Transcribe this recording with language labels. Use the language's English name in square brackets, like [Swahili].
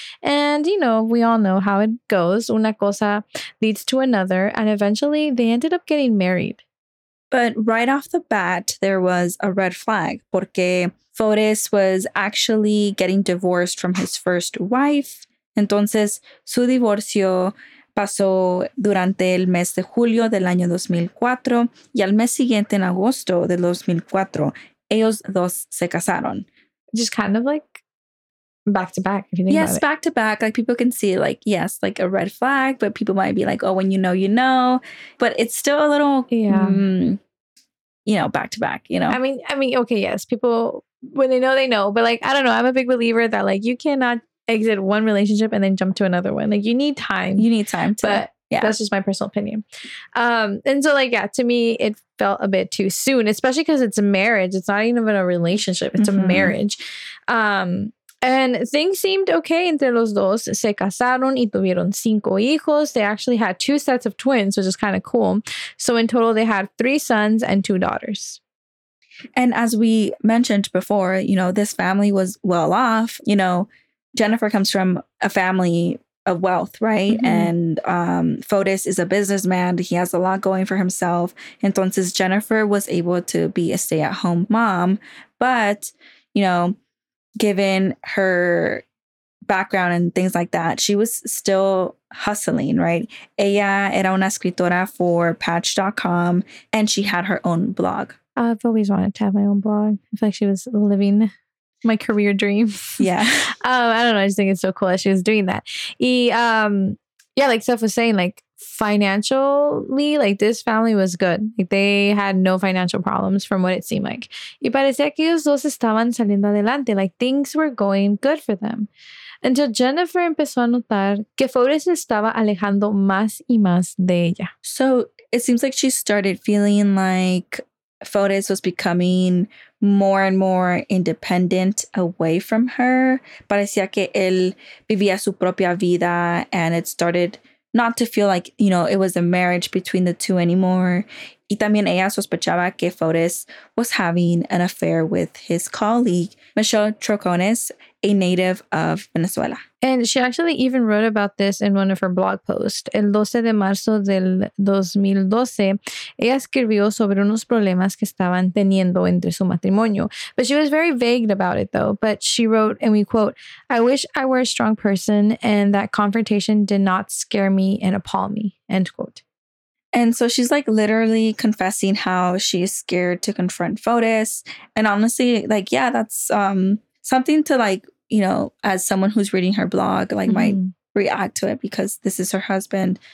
[English] And, you know, we all know how it goes. [Spanish] Una cosa [English] leads to another. And eventually they ended up getting married. But right off the bat, there was a red flag, [Spanish] porque [English] Fotis was actually getting divorced from his first wife. [Spanish] Entonces, su divorcio pasó durante el mes de julio del año 2004 y al mes siguiente, en agosto del 2004, ellos dos se casaron. [English] Just kind of like back to back, if you think yes, about it. Yes, back to back. Like, people can see, like, yes, like a red flag, but people might be like, oh, when you know, you know. But it's still a little, you know, back to back, you know? I mean, okay, yes. People, when they know, they know. But, like, I don't know. I'm a big believer that, like, you cannot exit one relationship and then jump to another one. Like, you need time. You need time to, but yeah, that's just my personal opinion. And so, like, yeah, to me, it felt a bit too soon, especially because it's a marriage. It's not even a relationship. It's a marriage. And things seemed okay [Spanish] entre los dos. Se casaron y tuvieron cinco hijos. [English] They actually had two sets of twins, which is kind of cool. So in total, they had three sons and two daughters. And as we mentioned before, you know, this family was well off. You know, Jennifer comes from a family of wealth, right? Mm-hmm. And Fotis is a businessman. He has a lot going for himself. [Spanish] Entonces, [English] Jennifer was able to be a stay-at-home mom. But, you know, given her background and things like that, she was still hustling, right? [Spanish] Ella era una escritora [English] for Patch.com, and she had her own blog. I've always wanted to have my own blog. I feel like she was living my career dream. Yeah. I don't know. I just think it's so cool that she was doing that. Yeah, like Steph was saying, like, financially, like, this family was good. Like, they had no financial problems from what it seemed like. [Spanish] Y parecía que ellos dos estaban saliendo adelante. [English] Like, things were going good for them. Until [Spanish] Jennifer empezó a notar que Fotis estaba alejando más y más de ella. [English] So it seems like she started feeling like Fotis was becoming more and more independent away from her. [Spanish] Parecía que él vivía su propia vida, [English] and it started not to feel like, you know, it was a marriage between the two anymore. [Spanish] Y también ella sospechaba que [English] Fotis was having an affair with his colleague, Michelle Trocones, a native of Venezuela. And she actually even wrote about this in one of her blog posts. [Spanish] El 12 de marzo del 2012, ella escribió sobre unos problemas que estaban teniendo entre su matrimonio. [English] But she was very vague about it, though. But she wrote, and we quote, "I wish I were a strong person and that confrontation did not scare me and appall me," end quote. And so she's, like, literally confessing how she is scared to confront Fotis. And honestly, like, yeah, that's something to, like, you know, as someone who's reading her blog, like, might react to it, because this is her husband.